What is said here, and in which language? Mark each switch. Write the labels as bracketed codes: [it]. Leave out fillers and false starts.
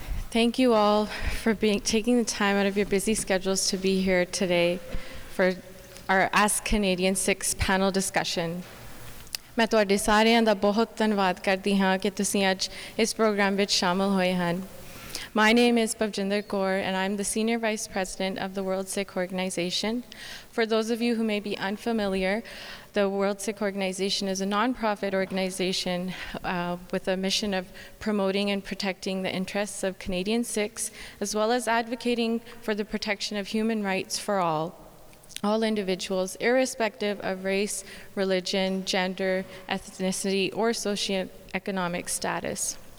[en] Thank you all for taking the time out of your busy schedules to be here today for our Ask Canadian Sikhs panel discussion. [pa] ਮੈਂ ਤੁਹਾਡੇ ਸਾਰਿਆਂ ਦਾ ਬਹੁਤ ਧੰਨਵਾਦ ਕਰਦੀ ਹਾਂ ਕਿ ਤੁਸੀਂ ਅੱਜ ਇਸ ਪ੍ਰੋਗਰਾਮ ਵਿੱਚ ਸ਼ਾਮਲ ਹੋਏ ਹਨ. [en] My name is Bhavjinder Kaur, and I'm the Senior Vice President of the World Sikh Organization. For those of you who may be unfamiliar, the World Sikh Organization is a nonprofit organization with a mission of promoting and protecting the interests of Canadian Sikhs, as well as advocating for the protection of human rights for all individuals, irrespective of race, religion, gender, ethnicity, or socioeconomic status.